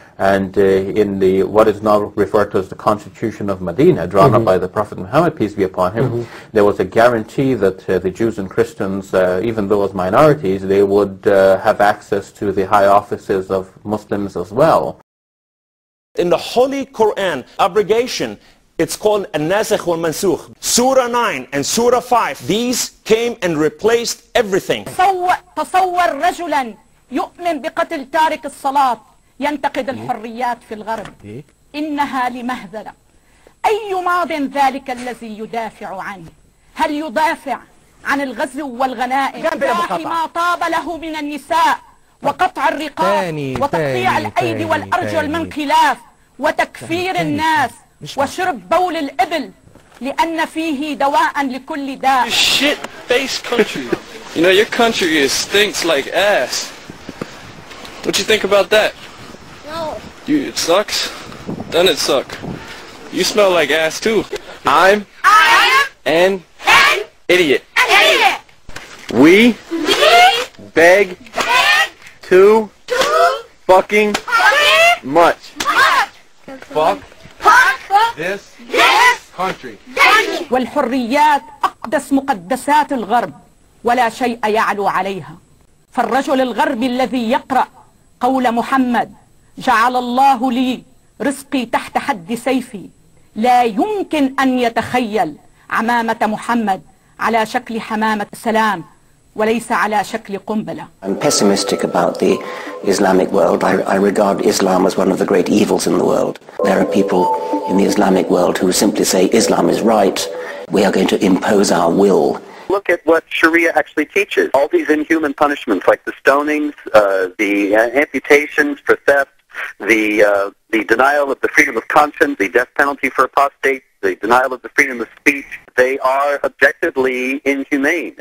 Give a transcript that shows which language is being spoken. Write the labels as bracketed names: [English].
[English] And in the what is now referred to as the Constitution of Medina, drawn up by the Prophet Muhammad, peace be upon him, there was a guarantee that the Jews and Christians, even though as minorities, they would have access to the high offices of Muslims as well. In the Holy Quran, abrogation, it's called an-nasikh wal-mansukh. Surah 9 and Surah 5, these came and replaced everything. [Arabic] تصور رجلا يؤمن بقتل تارك الصلاة ينتقد الحريات في الغرب إنها لمهزلة أي ماض ذلك الذي يدافع عنه هل يدافع عن الغزو والغنائم بلاحي ما طاب له من النساء وقطع الرقاب وتقطيع الأيدي والأرجل من خلاف وتكفير الناس وشرب بول الإبل لأن فيه دواء لكل داء. [English] Shit-faced country. You know, your country is stinks like ass. What you think about that? No. You, it sucks? Doesn't it suck? You smell like ass too. I am an idiot. We beg too fucking much. Fuck this country. [Arabic] والحريات أقدس مقدسات الغرب ولا شيء يعلو عليها. فالرجل الغربي الذي يقرأ قول محمد جعل الله لي رزقي تحت حد سيفي لا يمكن أن يتخيل عمامة محمد على شكل حمامة سلام وليس على شكل قنبلة. [English] I'm pessimistic about the Islamic world. I regard Islam as one of the great evils in the world. There are people in the Islamic world who simply say Islam is right. We are going to impose our will. Look at what Sharia actually teaches. All these inhuman punishments like the stonings, the amputations for theft, the denial of the freedom of conscience, the death penalty for apostates, the denial of the freedom of speech, they are objectively inhumane.